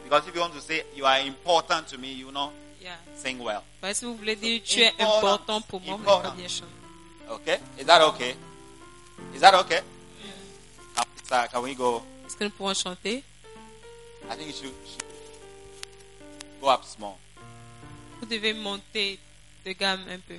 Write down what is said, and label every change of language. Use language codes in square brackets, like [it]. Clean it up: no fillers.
[en] Because if you want to say you are important to me, you know, yeah. Sing well. [fr] Mais si vous voulez dire tu es important pour moi, vous allez bien chanter. [en] Okay? Is that okay? Is that okay? Yeah. Can we go? [fr] Est-ce que nous pouvons chanter? [en] I think you should go up small. [fr] Vous devez monter de gamme un peu.